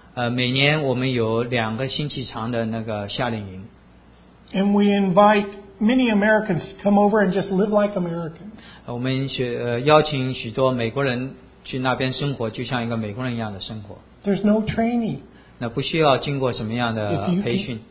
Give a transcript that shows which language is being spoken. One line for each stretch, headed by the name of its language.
Chinese: 每年我们有两个星期长的那个夏令营。
English: And we invite many Americans to come over and just live like Americans.
Chinese: 我们邀请许多美国人。去那边生活就像一个美国人一样的生活。
English: There's no training.
Chinese: 那不需要经过什么样的培训。